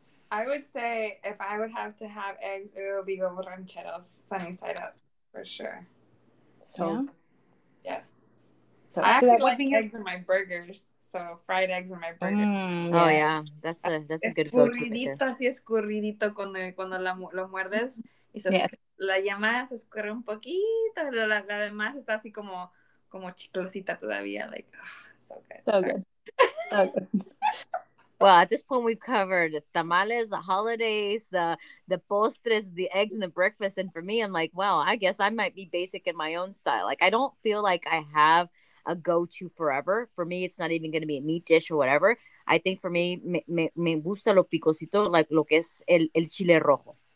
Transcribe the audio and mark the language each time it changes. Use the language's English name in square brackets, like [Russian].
[English] I would say if I would have to have eggs, it would be huevos rancheros, sunny side up for sure. So, yeah. Yes. So I actually like eggs in my burgers, so fried eggs in my burgers. Yeah. Oh yeah, that's a good go-to. [Spanish] Escurridito, así escurridito cuando lo muerdes y se la yema se escurre un poquito, la demás está así como chiclosita todavía, [English] like so good. Well, at this point we've covered the tamales, the holidays, the postres, the eggs, and the breakfast. And for me, I'm like, well, I guess I might be basic in my own style. Like I don't feel like I have a go-to forever. For me, it's not even going to be a meat dish or whatever. I think for me, [Spanish] me gusta lo picosito, [English] like [Spanish] lo que es el chile rojo.